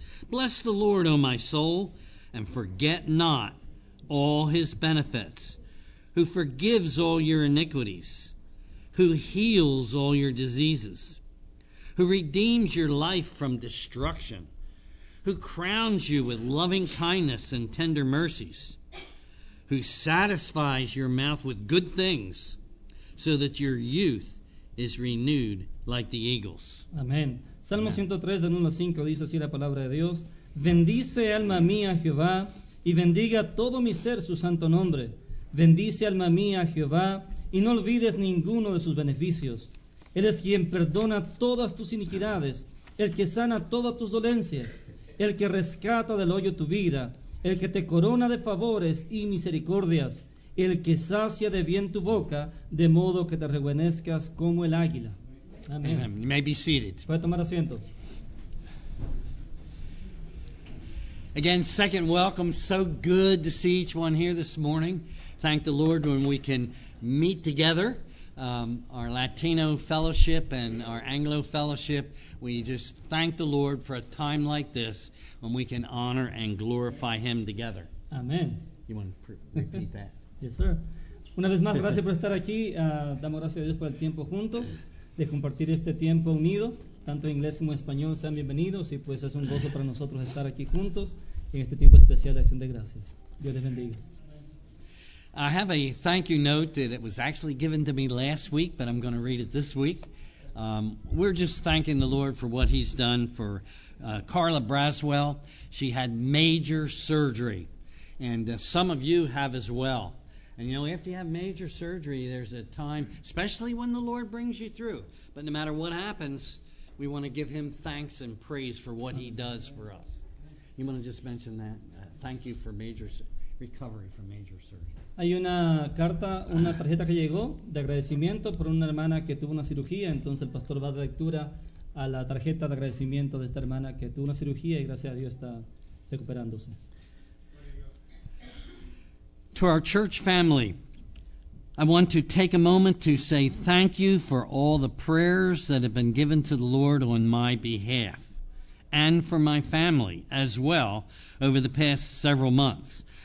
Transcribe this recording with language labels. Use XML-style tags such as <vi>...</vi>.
<en>Bless the Lord, O my soul, and forget not all His benefits, who forgives all your iniquities, who heals all your diseases, who redeems your life from destruction, who crowns you with loving kindness and tender mercies, who satisfies your mouth with good things, so that your youth is renewed like the eagles.</en> <es>Amén. Salmo 103, del 1 al 5, dice así la palabra de Dios. Bendice, alma mía, Jehová, y bendiga todo mi ser su santo nombre. Bendice, alma mía, Jehová, y no olvides ninguno de sus beneficios. Él es quien perdona todas tus iniquidades, el que sana todas tus dolencias, el que rescata del hoyo tu vida, el que te corona de favores y misericordias, el que sacia de bien tu boca, de modo que te rejuvenezcas como el águila.</es> <en>Amén. You may be seated.</en> <es>Puede tomar asiento.</es> <en>Again, second welcome. So good to see each one here this morning. Thank the Lord when we can meet together, our Latino fellowship and our Anglo fellowship. We just thank the Lord for a time like this when we can honor and glorify Him together. Amen. You want to repeat that? Yes, sir.</en> <es>Una vez más, gracias por estar aquí. Damos gracias a Dios por el tiempo juntos, de compartir este tiempo unido, tanto en inglés como en español. Sean bienvenidos y pues es un gozo para nosotros estar aquí juntos en este tiempo especial de Acción de Gracias. Dios les bendiga.</es> <en>I have a thank you note that it was actually given to me last week, but I'm going to read it this week. We're just thanking the Lord for what He's done for Carla Braswell. She had major surgery, and some of you have as well. And you know, after you have major surgery, there's a time, especially when the Lord brings you through. But no matter what happens, we want to give Him thanks and praise for what He does for us. You want to just mention that? Thank you for major surgery. Recovery from major surgery.</en> <es>Hay una carta, una tarjeta que llegó de agradecimiento por una hermana que tuvo una cirugía. Entonces el pastor va a dar lectura a la tarjeta de agradecimiento de esta hermana que tuvo una cirugía y gracias a Dios está recuperándose.</es> <en>To our church family, I want to take a moment to say thank you for all the prayers that have been given to the Lord on my behalf and for my family as well over the past several months.</en>